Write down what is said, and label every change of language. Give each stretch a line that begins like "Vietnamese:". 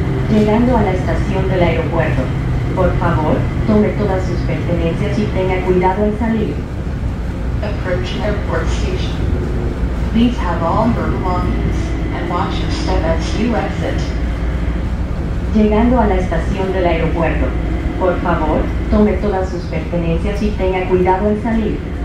Spanish: Llegando a la estación del aeropuerto, por favor, tome todas sus pertenencias y tenga cuidado al salir.
English: Approach airport station. Please have all your belongings and watch your step as you exit.
Spanish: Llegando a la estación del aeropuerto, por favor, tome todas sus pertenencias y tenga cuidado al salir.